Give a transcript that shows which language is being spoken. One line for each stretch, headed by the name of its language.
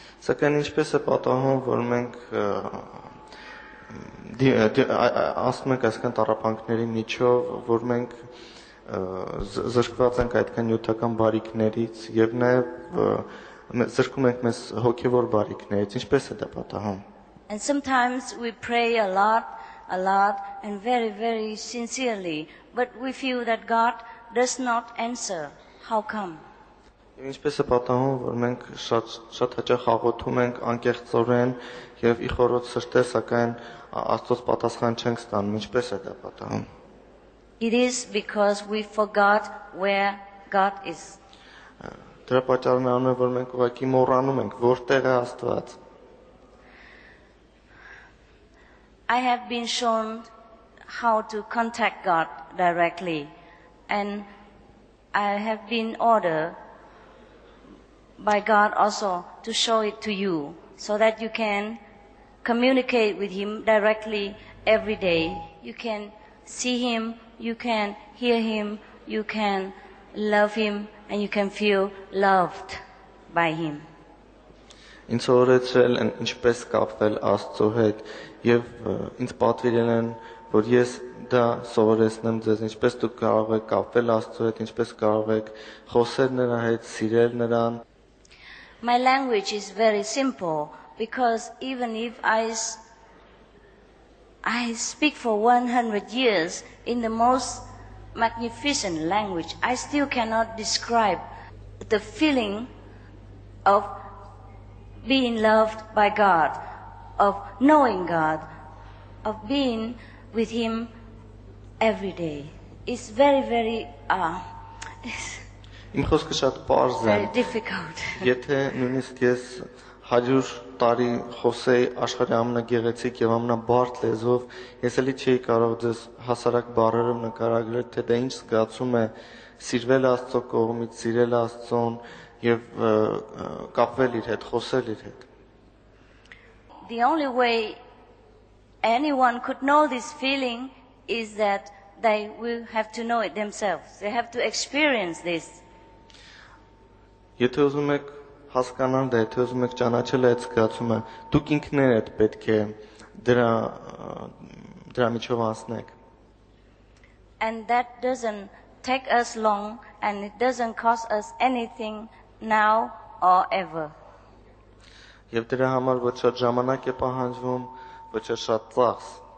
Armenian: Սակայն ինչպես է պատահում, որ մենք ասում ենք այսքան տառապանքների միջով, որ մենք զրկված ենք այդքան նյութական բարիքներից եւ նաեւ զրկում ենք մեզ հոգեոր բարիքներից, ինչպես է դա պատահում?
English: And sometimes we pray a lot and very very sincerely, but we feel that God does not answer. How come?
Armenian: Եվ ինչպես է պատահում, որ մենք շատ հաճախ աղոթում ենք անկեղծորեն եւ ի խորոց սրտե, սակայն Աստծոս պատասխան չենք ստանում, ինչպես է դա պատահում?
English: It is because we forgot where God is.
Armenian: Դրա պատճառն է անում, որ մենք ուղղակի մոռանում ենք որտեղ է Աստված։
English: I have been shown how to contact God directly, and I have been ordered by God also to show it to you so that you can communicate with Him directly every day. You can see Him, you can hear Him, you can love Him, and you can feel loved by Him.
Armenian: Ինձ օրեցրել են ինչպես կապվել Աստծո հետ եւ ինձ պատվիրել են, որ ես դա սովորեցնեմ ձեզ, ինչպես դուք կարող եք կապվել Աստծո հետ, ինչպես կարող եք խոսել նրա հետ, սիրել նրան։
English: My language is very simple because even if I speak for 100 years in the most magnificent language, I still cannot describe the feeling of being loved by God, of knowing God, of being with Him every day. It's very, very,
Armenian: Իմ խոսքը շատ պարզ է։ Եթե նույնիսկ ես 100 տարի խոսեի աշխարհի ամենագեղեցիկ եւ ամենաբարձ լեզվով, ես էլի չէի կարող ձեզ հասարակ բառերով նկարագրել, թե դա ինչ զգացում է սիրվել Աստծո կողմից, սիրել Աստծուն եւ կապվել իր հետ, խոսել իր հետ։
English: The only way anyone could know this feeling is that they will have to know it themselves. They have to experience this.
Armenian: Եթե ուզում եք հասկանալ դա, եթե ուզում եք ճանաչել այդ զգացումը, դուք ինքներդ պետք է դրա միջով անցնեք։
English: and that doesn't take us long and it doesn't cost us anything now or ever.
Armenian: Եվ դրա համար ոչ շատ ժամանակ է պահանջվում, ոչ շատ ծախս.